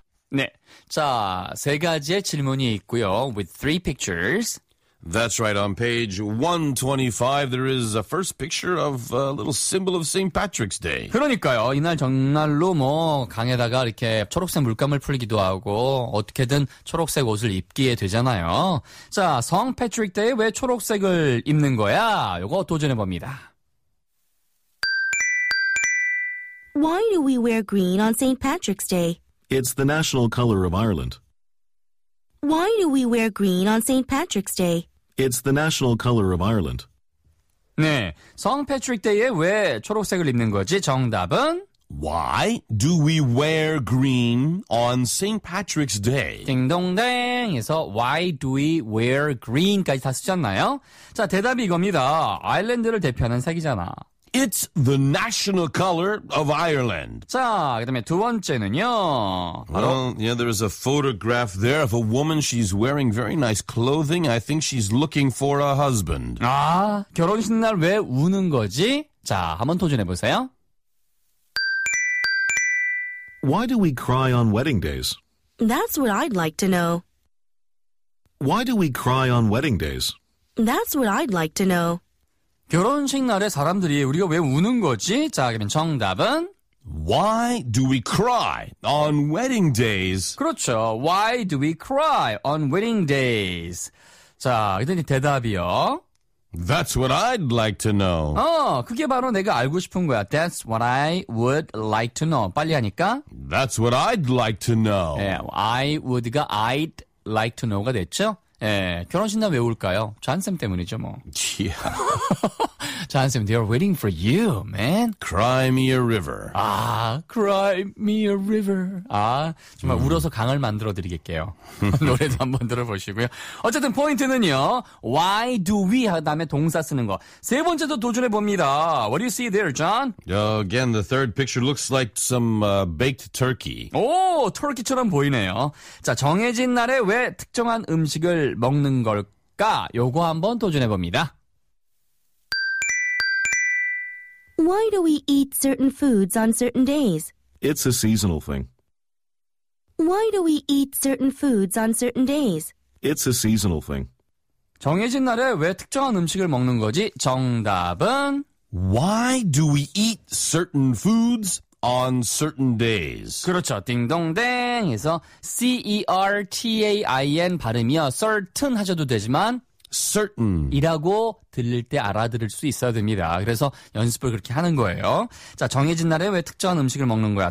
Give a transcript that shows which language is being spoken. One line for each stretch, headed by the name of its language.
Korean: 네, 자, 세 가지의 질문이 있고요.
English: With three pictures. That's right. On page 125, there is a first picture of a little symbol of St. Patrick's Day.
Korean: 그러니까요. 이날 정말로 뭐 강에다가 이렇게 초록색 물감을 풀기도 하고 어떻게든 초록색 옷을 입기에 되잖아요. 자, 성 패트릭 데이 왜 초록색을 입는 거야? 이거 도전해봅니다.
English: Why do we wear green on St. Patrick's Day? It's the national color of Ireland. Why do we wear green on St. Patrick's Day? It's the national color of Ireland.
Korean: 네, 성 패트릭 데이에 왜 초록색을 입는 거지? 정답은?
English: Why do we wear green on St. Patrick's Day?
Korean: 딩동댕에서
English: Why do we wear green
Korean: 까지 다 쓰셨나요? 자, 대답이 이겁니다. 아일랜드를 대표하는 색이잖아.
English: It's the national color of Ireland.
Korean: 자, 그다음에 두 번째는요.
English: Well, yeah, there is a photograph there of a woman. She's wearing very nice clothing. I think she's looking for a husband.
Korean: 아, 결혼식 날 왜 우는 거지? 자, 한번 도전해 보세요.
English: Why do we cry on wedding days? That's what I'd like to know. Why do we cry on wedding days? That's what I'd like to know.
Korean: 결혼식 날에 사람들이 우리가 왜 우는 거지? 자, 그러면 정답은
English: Why do we cry on wedding days?
Korean: 그렇죠.
English: Why do we cry on wedding days?
Korean: 자, 그랬더니 대답이요.
English: That's what I'd like to know.
Korean: 어, 그게 바로 내가 알고 싶은 거야.
English: That's what I would like to know.
Korean: 빨리 하니까.
English: That's what I'd like to know. 예, I would가 I'd like to know가 됐죠?
Korean: 예, 결혼식 날 왜 울까요? 잔쌤 때문이죠, 뭐.
English: Yeah. 잔쌤, they are waiting for you, man. Cry me a river.
Korean: 아,
English: cry me a river.
Korean: 아, 정말 울어서 강을 만들어 드리겠게요. 노래도 한번 들어보시고요. 어쨌든 포인트는요.
English: Why do we?
Korean: 다음에 동사 쓰는 거. 세 번째도 도전해 봅니다.
English: What do you see there, John? Again, the third picture looks like some baked turkey.
Korean: 오, 터키처럼 보이네요. 자, 정해진 날에 왜 특정한 음식을 먹는 걸까? 요거 한번 도전해 봅니다.
English: Why do we eat certain foods on certain days? It's a seasonal thing. Why do we eat certain foods on certain days? It's a seasonal thing.
Korean: 정해진 날에 왜 특정한 음식을 먹는 거지? 정답은
English: Why do we eat certain foods on certain days?
Korean: 그렇죠. 딩동댕에서 C-E-R-T-A-I-N 발음이요. Certain 하셔도 되지만
English: Certain
Korean: 이라고 들릴 때 알아들을 수 있어야 됩니다. 그래서 연습을 그렇게 하는 거예요. 자, 정해진 날에 왜 특정한 음식을 먹는 거야?